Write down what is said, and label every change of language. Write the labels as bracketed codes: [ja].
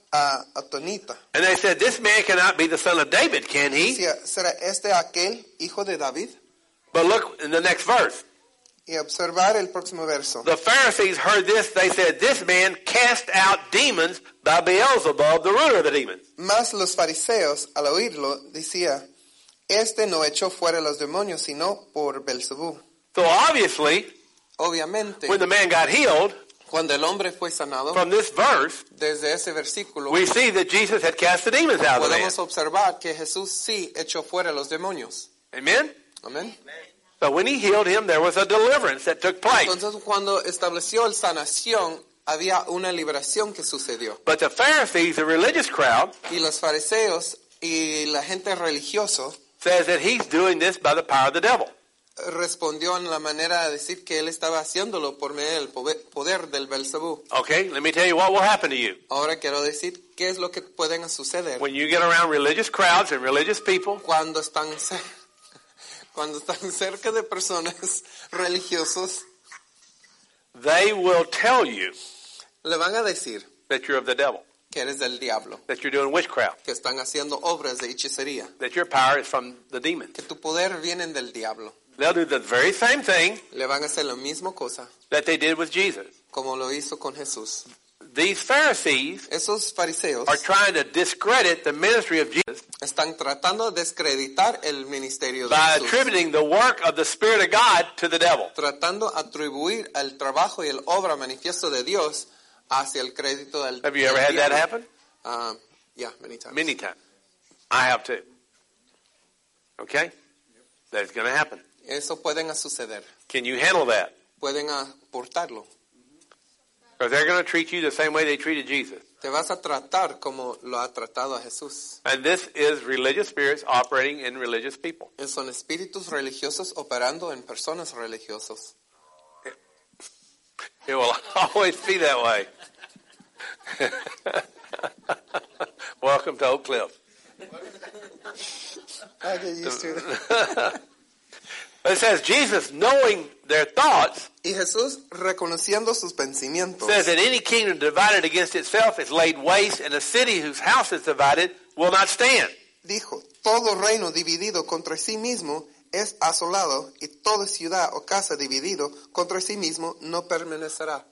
[en] and they said, this man cannot be the son of David, can he? [es] ¿Será este aquel hijo de David? [en] But look in the next verse. [es] Y observar el próximo verso. [en] The Pharisees heard this. They said, this man cast out demons by Beelzebub, the ruler of the demons. [es] Mas los fariseos, al oírlo, decía, este no echó fuera los demonios, sino por Beelzebub. [en] So obviously, [es] obviamente, [en] when the man got healed, [es] cuando el hombre fue sanado, [en] from this verse, [es] desde ese versículo, [en] we see that Jesus had cast the demons out of him. [es] Podemos observar que Jesús sí echó fuera los demonios. [en] Amen? Amen. So when he healed him, there was a deliverance that took place. [es] Entonces, cuando estableció la sanación, había una liberación que sucedió. [en] But the Pharisees, the religious crowd, [es] y los fariseos y la gente religiosa, [en] says that he's doing this by the power of the devil. [es] Respondió en la manera de decir que él estaba haciéndolo por medio del poder del Belzebú. [en] Okay, let me tell you what will happen to you. [es] Ahora quiero decir qué es lo que pueden suceder. [en] When you get around religious crowds and religious people, [es] cuando están cerca de personas religiosas, [en] they will tell you, [es] le van a decir, [en] that you're of the devil, [es] que eres del diablo, [en] that you're doing witchcraft, [es] que están haciendo obras de hechicería, [en] that your power is from the demons, [es] que tu poder viene del diablo. [en] They'll do the very same thing [es] le van a hacer la misma cosa [en] that they did with Jesus. [es] Como lo hizo con Jesús. [en] These Pharisees, [es] esos fariseos, [en] are trying to discredit the ministry of Jesus, [es] están tratando de descreditar el ministerio de [en] by [es] Jesús, [en] attributing the work of the Spirit of God to the devil. [es] Tratando atribuir el trabajo y el obra manifiesto de Dios hacia el crédito del [en] Have you ever had [es] diablo. [en] That happen? Yeah, many times. Many times. I have too. Okay? That's going to happen. [es] Eso pueden suceder. [en] Can you handle that? [es] Pueden aportarlo. [en] Because they're going to treat you the same way they treated Jesus. [es] Te vas a tratar como lo ha tratado a Jesús. [en] And this is religious spirits operating in religious people. [es] Es son espíritus religiosos operando en personas religiosas. [en] It will always be that way. Welcome to Oak Cliff. I get used to that. It says Jesus, knowing their thoughts, [es] y Jesús, reconociendo sus pensamientos, [en] says that any kingdom divided against itself is laid waste, and a city whose house is divided will not stand. [es] Dijo, todo reino dividido contra sí mismo es asolado y toda ciudad o casa dividido contra sí mismo no permanecerá.